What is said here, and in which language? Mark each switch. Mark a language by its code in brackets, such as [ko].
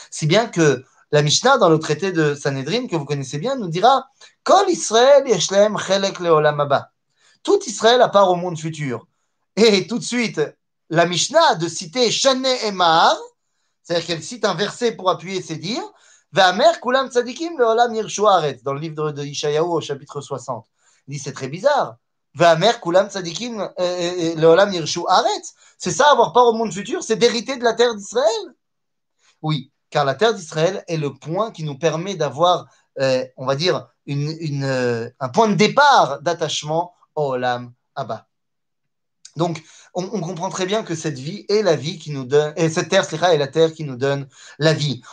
[fr] Si bien que la Mishnah, dans le traité de Sanhedrin, que vous connaissez bien, nous dira « [he] Kol Israël yeshlem chelek leolam haba [fr] » tout Israël à part au monde futur. Et tout de suite, la Mishnah de citer Shane Emar, c'est-à-dire qu'elle cite un verset pour appuyer ses dires, [he] Ve'amer kulam tzadikim le'olam yirshu aretz, [fr] dans le livre de Ishayahu au chapitre 60. Il dit, c'est très bizarre. [he] והמר כולם צדיקים לעולם ירשו ארץ? [fr] C'est ça avoir part au monde futur, c'est d'hériter de la terre d'Israël? Oui, car la terre d'Israël est le point qui nous permet d'avoir, on va dire, un point de départ d'attachement au Olam Abba. Donc, on comprend très bien que cette vie est la vie qui nous donne, et cette terre, c'est la terre qui nous donne la vie.